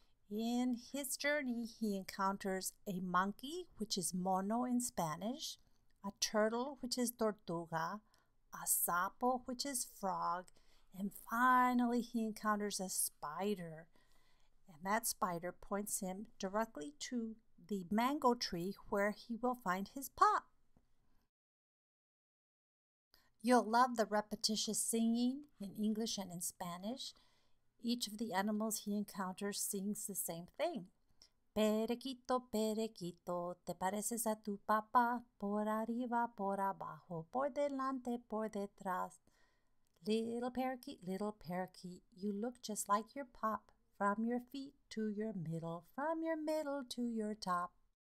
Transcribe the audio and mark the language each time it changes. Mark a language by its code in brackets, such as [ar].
[en] In his journey, he encounters a monkey, which is mono in Spanish, a turtle, which is tortuga, a sapo, which is frog, and finally, he encounters a spider, and that spider points him directly to the mango tree where he will find his pop. You'll love the repetitious singing in English and in Spanish. Each of the animals he encounters sings the same thing. [es] Periquito, periquito, te pareces a tu papá, por arriba, por abajo, por delante, por detrás. [en] Little parakeet, you look just like your pop, from your feet to your middle, from your middle to your top.